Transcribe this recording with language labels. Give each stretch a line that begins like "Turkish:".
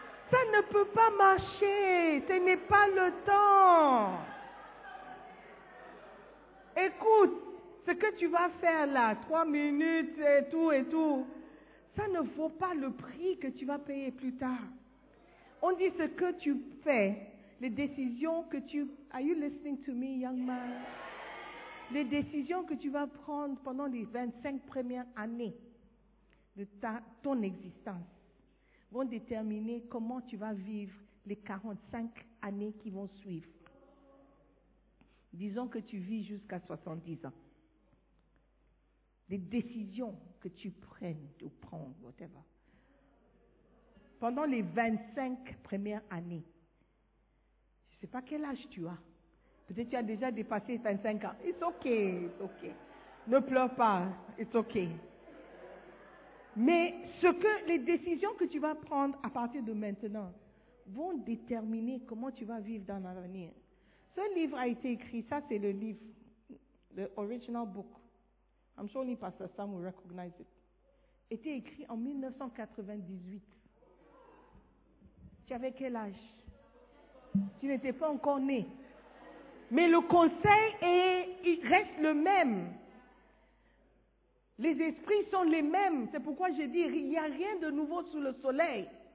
French: Ça ne peut pas marcher, ce n'est pas le temps. Écoute, ce que tu vas faire là, 3 minutes et tout, ça ne vaut pas le prix que tu vas payer plus tard. On dit ce que tu fais. Les décisions que tu...
English: Are you listening to me, young man?
French: Les décisions que tu vas prendre pendant les 25 premières années de ton existence vont déterminer comment tu vas vivre les 45 années qui vont suivre. Disons que tu vis jusqu'à 70 ans. Les décisions que tu prennes ou prends,
English: whatever,
French: pendant les 25 premières années, je ne sais pas quel âge tu as. Peut-être que tu as déjà dépassé 25 ans.
English: It's ok.
French: Ne pleure pas. It's ok. Mais les décisions que tu vas prendre à partir de maintenant vont déterminer comment tu vas vivre dans l'avenir. Ce livre a été écrit, ça c'est le livre,
English: the original book. I'm sure only Pastor Sam will recognize it.
French: Était écrit en 1998. Tu avais quel âge? Tu n'étais pas encore né. Mais le conseil est, il reste le même. Les esprits sont les mêmes. C'est pourquoi je dis, il n'y a rien de nouveau sous le soleil.